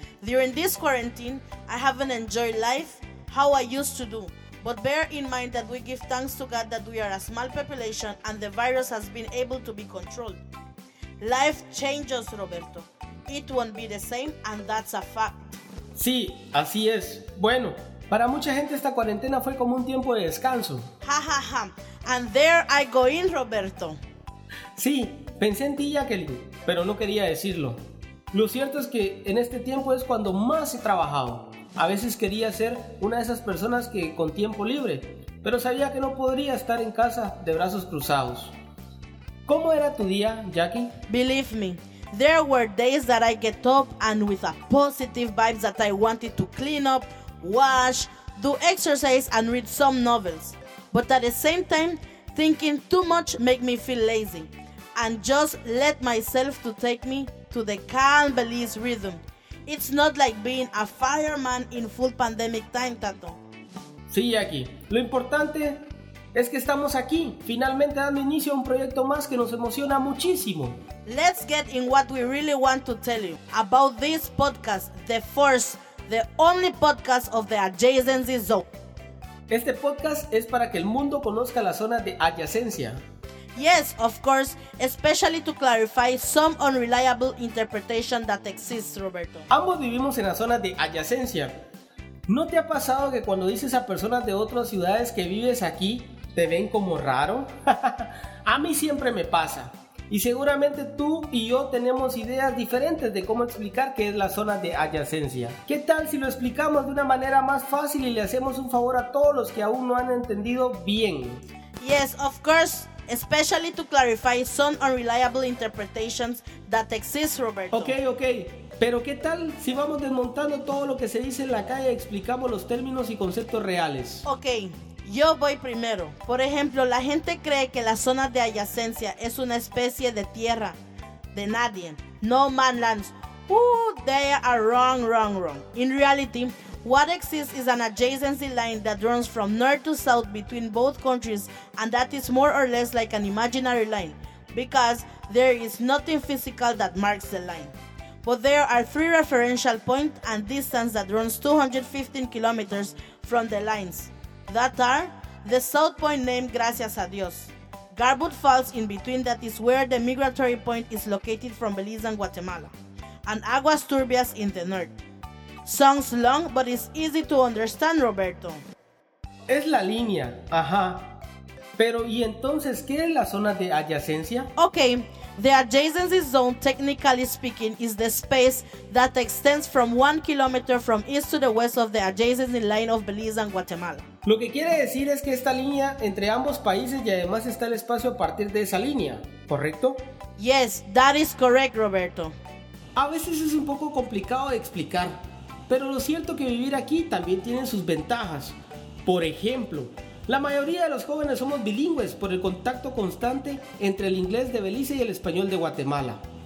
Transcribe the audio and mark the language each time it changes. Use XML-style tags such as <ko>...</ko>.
<en>During this quarantine, I haven't enjoyed life how I used to do. But bear in mind that we give thanks to God that we are a small population and the virus has been able to be controlled. Life changes, Roberto. It won't be the same and that's a fact.</en> <es>Sí, así es. Bueno, para mucha gente esta cuarentena fue como un tiempo de descanso.</es> <en>Ja, ja, ja. And there I go in, Roberto.</en> <es>Sí, pensé en ti, Jacqueline, pero no quería decirlo. Lo cierto es que en este tiempo es cuando más he trabajado. A veces quería ser una de esas personas que con tiempo libre, pero sabía que no podría estar en casa de brazos cruzados. ¿Cómo era tu día, Jackie?</es> <en>Believe me, there were days that I get up and with a positive vibe that I wanted to clean up, wash, do exercise and read some novels. But at the same time, thinking too much make me feel lazy and just let myself to take me to the calm Belize rhythm. It's not like being a fireman in full pandemic time, Tato.</en> <es>Sí, Jackie. Lo importante es que estamos aquí, finalmente dando inicio a un proyecto más que nos emociona muchísimo.</es> <en>Let's get in what we really want to tell you about this podcast, the first, the only podcast of the Adjacency Zone.</en> <es>Este podcast es para que el mundo conozca la zona de adyacencia.</es> <en>Yes, of course, especially to clarify some unreliable interpretation that exists, Roberto.</en> <es>Ambos vivimos en la zona de adyacencia. ¿No te ha pasado que cuando dices a personas de otras ciudades que vives aquí, te ven como raro? A mí siempre me pasa. y seguramente tú y yo tenemos ideas diferentes de cómo explicar qué es la zona de adyacencia. ¿Qué tal si lo explicamos de una manera más fácil y le hacemos un favor a todos los que aún no han entendido bien?</es> <en>Yes, of course. Especially to clarify some unreliable interpretations that exist, Roberto. Okay.</en> <es>Pero ¿qué tal si vamos desmontando todo lo que se dice en la calle y explicamos los términos y conceptos reales? Okay. Yo voy primero. Por ejemplo, la gente cree que la zona de adyacencia es una especie de tierra de nadie.</es> <en>No man lands. They are wrong. In reality, what exists is an adjacency line that runs from north to south between both countries, and that is more or less like an imaginary line, because there is nothing physical that marks the line. But there are three referential points and distance that runs 215 kilometers from the lines. That are the south point named Gracias a Dios. Garbutt Falls in between, that is where the migratory point is located from Belize and Guatemala. And Aguas Turbias in the north. Sounds long, but it's easy to understand, Roberto.</en> <es>Es la línea, ajá. Pero, ¿y entonces qué es la zona de adyacencia?</es> <en>Okay, the adjacency zone, technically speaking, is the space that extends from 1 kilometer from east to the west of the adjacency line of Belize and Guatemala.</en> <es>Lo que quiere decir es que esta línea entre ambos países, y además está el espacio a partir de esa línea, ¿correcto?</es> <en>Yes, that is correct, Roberto.</en> <es>A veces es un poco complicado de explicar, pero lo cierto que vivir aquí también tiene sus ventajas. Por ejemplo, la mayoría de los jóvenes somos bilingües por el contacto constante entre el inglés de Belice y el español de Guatemala.</es>